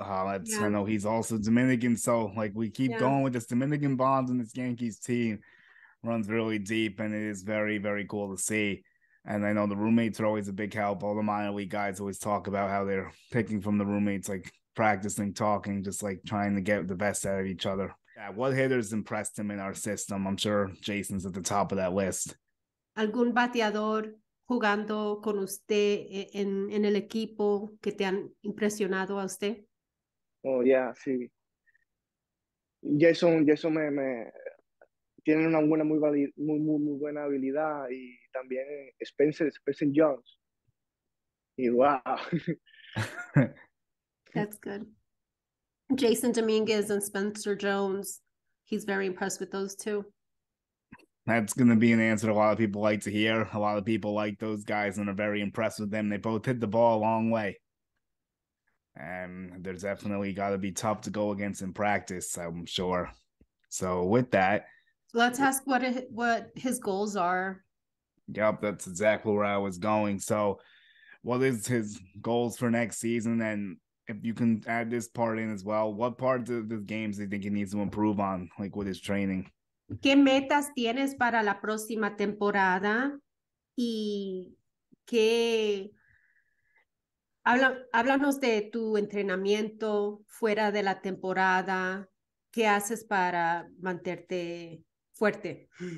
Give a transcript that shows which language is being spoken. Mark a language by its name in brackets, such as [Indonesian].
[English] That's, I know he's also Dominican, so like we keep going with this Dominican bond, and this Yankees team runs really deep, and it is very, very cool to see. And I know the roommates are always a big help. All the minor league guys always talk about how they're picking from the roommates, like practicing, talking, just like trying to get the best out of each other. Yeah, what hitters impressed him in our system? I'm sure Jason's at the top of that list. [Spanish] ¿Algún bateador jugando con usted en el equipo que te han impresionado a usted? Oh, ya, sí. Jason me tiene una buena, muy buena habilidad. Y también Spencer Jones. Y wow. [English] That's good. Jason Dominguez and Spencer Jones, he's very impressed with those two. That's going to be an answer a lot of people like to hear. A lot of people like those guys and are very impressed with them. They both hit the ball a long way. And there's definitely got to be tough to go against in practice, I'm sure. So with that, Let's ask what his goals are. that's exactly where I was going. So what is his goals for next season? And if you can add this part in as well, what parts of the games do you think he needs to improve on, like with his training? [Spanish] ¿Qué metas tienes para la próxima temporada? Y qué háblanos de tu entrenamiento fuera de la temporada. ¿Qué haces para mantenerte fuerte?